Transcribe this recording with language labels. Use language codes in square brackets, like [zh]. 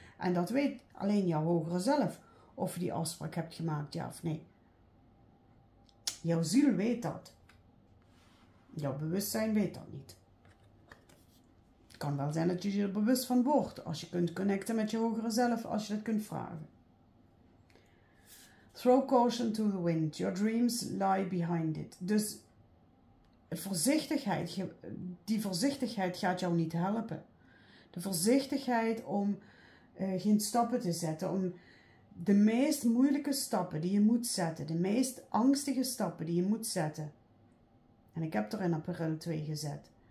[nl] En dat weet alleen jouw hogere zelf. Of je die afspraak hebt gemaakt, ja of nee. Jouw ziel weet dat. Jouw bewustzijn weet dat niet. Het kan wel zijn dat je er bewust van wordt. Als je kunt connecten met je hogere zelf. Als je dat kunt vragen. [en] Throw caution to the wind. Your dreams lie behind it. [nl] Dus voorzichtigheid, die voorzichtigheid gaat jou niet helpen. De voorzichtigheid om geen stappen te zetten. Om de meest moeilijke stappen die je moet zetten. De meest angstige stappen die je moet zetten. En ik heb er in april 2 gezet.